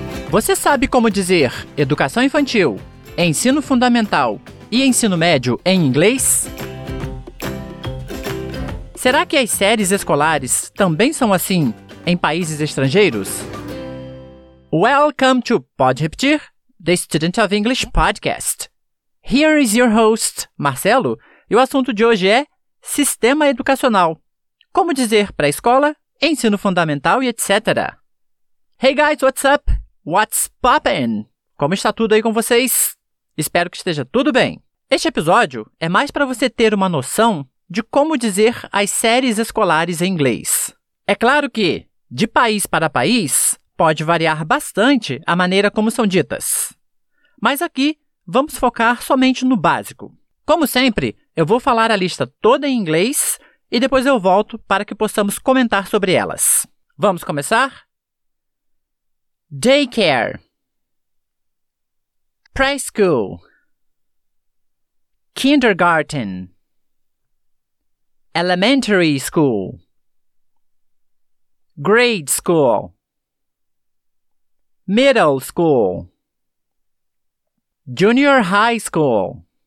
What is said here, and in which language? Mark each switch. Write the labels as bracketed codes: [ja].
[pt] Você sabe como dizer educação infantil, ensino fundamental e ensino médio em inglês? Será que as séries escolares também são assim em países estrangeiros? [en] Welcome to Pode Repetir, the Student of English Podcast. Here is your host, [pt] Marcelo, e o assunto de hoje é sistema educacional. Como dizer para a escola, ensino fundamental e etc. [en] Hey guys, what's up? What's poppin'? [pt] Como está tudo aí com vocês? Espero que esteja tudo bem. Este episódio é mais para você ter uma noção de como dizer as séries escolares em inglês. É claro que, de país para país, pode variar bastante a maneira como são ditas. Mas aqui, vamos focar somente no básico. Como sempre, eu vou falar a lista toda em inglês e depois eu volto para que possamos comentar sobre elas. Vamos começar? [en] Daycare, preschool, kindergarten, elementary school, grade school, middle school, junior high school,